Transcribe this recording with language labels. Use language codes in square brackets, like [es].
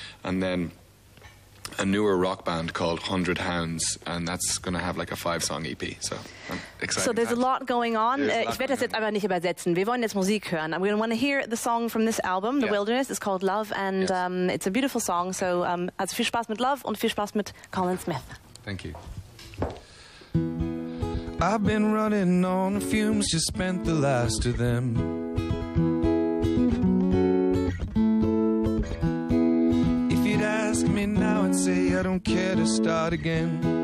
[en] And then a newer rock band called 100 Hounds, and that's going to have like a 5-song EP. So I'm excited. So there's a lot going on. [de] Ich werde das jetzt einfach nicht übersetzen. Wir wollen jetzt Musik hören. [en] We want to hear the song from this album, The Wilderness. It's called Love, and it's a beautiful song. [de] So also viel Spaß mit Love und viel Spaß mit Colin Smith. [en] Thank you. I've been running on fumes, just spent the last of them. Ask me now and say I don't care to start again.